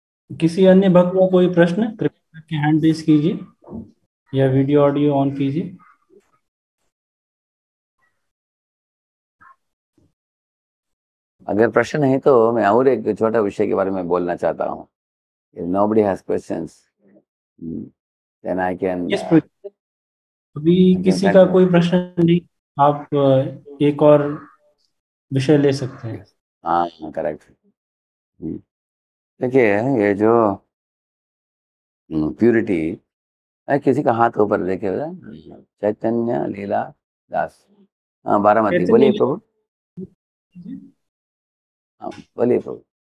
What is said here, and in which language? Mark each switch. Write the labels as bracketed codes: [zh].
[hi] किसी अन्य भक्त को कोई प्रश्न, कृपया हैंड रेज कीजिए या वीडियो ऑडियो ऑन कीजिए। अगर प्रश्न है तो मैं और एक छोटा विषय के बारे में बोलना चाहता हूँ. [en] If nobody has questions, then I can. [hi] Yes, अभी किसी का कोई प्रश्न नहीं, आप एक और विषय ले सकते हैं. हाँ करेक्ट. देखिए ये जो प्यूरिटी, किसी का हाथ ऊपर देखे बता, चैतन्य लीला दास, हाँ बारामती, बोलिए प्रभु, हाँ बोलिए प्रभु.